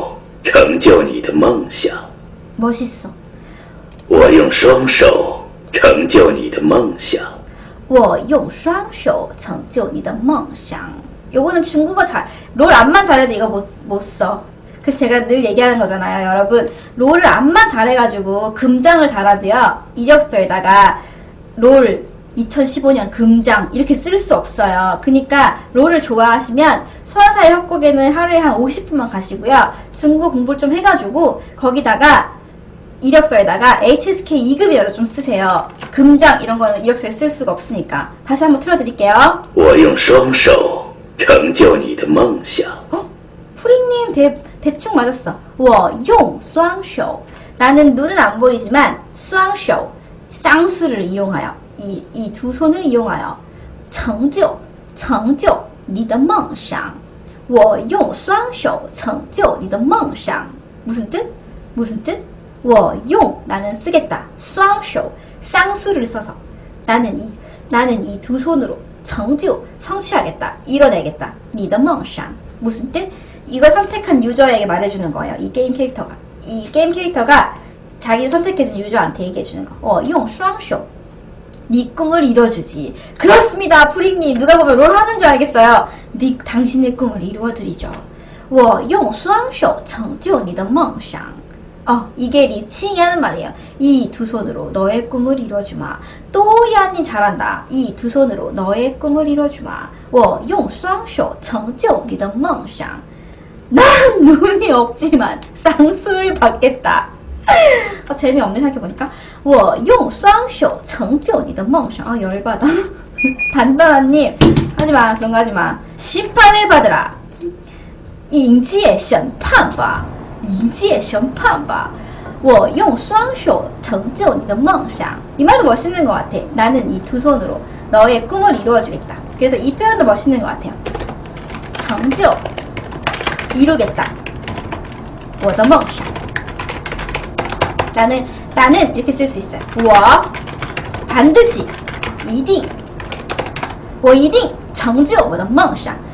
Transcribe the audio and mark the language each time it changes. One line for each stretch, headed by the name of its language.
Chinese: 我用双手成就你的梦想.
Korean: 멋있어.
Chinese: 我用双手成就你的梦想. 我用双手成就你的梦想.
Korean: 요거는 중국어 잘, 롤 안만 잘해도 이거 못 써. 그래서 제가 늘 얘기하는 거잖아요, 여러분. 롤을 암만 잘해가지고 금장을 달아도요, 이력서에다가 롤 2015년 금장 이렇게 쓸 수 없어요. 그러니까 롤을 좋아하시면 소아사의 협곡에는 하루에 한 50분만 가시고요. 중국 공부를 좀 해가지고 거기다가 이력서에다가 HSK 2급이라도 좀 쓰세요. 금장 이런 거는 이력서에 쓸 수가 없으니까. 다시 한번 틀어드릴게요.
Chinese: 我用双手成就你的梦想.
Korean: 어? 프리님 대충 맞았어.
Chinese: 我用双手.
Korean: 나는 눈은 안 보이지만 双手, 쌍수를 이용하여, 이 두 손을 이용하여
Chinese: 成就 你的梦想. 我用双手成就你的梦想.
Korean: 무슨 뜻? 무슨 뜻?
Chinese: 我用,
Korean: 나는 쓰겠다. 双手, 쌍수를 써서 나는 이 두 손으로 成就, 성취하겠다, 이뤄내겠다.
Chinese: 你的梦想.
Korean: 무슨 뜻? 이걸 선택한 유저에게 말해주는 거예요. 이 게임 캐릭터가. 이 게임 캐릭터가 자기 선택해준 유저한테 얘기해주는 거.
Chinese: 用双手.
Korean: 네 꿈을 이뤄주지. 그렇습니다, 프링님. 누가 보면 롤 하는 줄 알겠어요. 네, 당신의 꿈을 이루어드리죠.
Chinese: 我用双手成就你的梦想.
Korean: 어, 이게 리칭이 하는 말이에요. 이 두 손으로 너의 꿈을 이뤄주마. 또 이하님 잘한다. 이 두 손으로 너의 꿈을 이뤄주마.
Chinese: 我用双手成就你的梦想.
Korean: 난 눈이 없지만 쌍수를 받겠다. 어, 재미없네 생각해보니까.
Chinese: 我用双手成就你的梦想.
Korean: 아, 열받아. 단단한님, 하지마, 그런거 하지마. 심판을 받으라.
Chinese: 迎接审判吧. 我用双手成就你的梦想.
Korean: 이 말도 멋있는 것 같아. 나는 이 두 손으로 너의 꿈을 이루어주겠다. 그래서 이 표현도 멋있는 것 같아요.
Chinese: 成就,
Korean: 이루겠다.
Chinese: 我的梦想.
Korean: 나는 이렇게 쓸 수 있어요.
Chinese: 我
Korean: 반드시,
Chinese: 一定. 我一定成就我的梦想.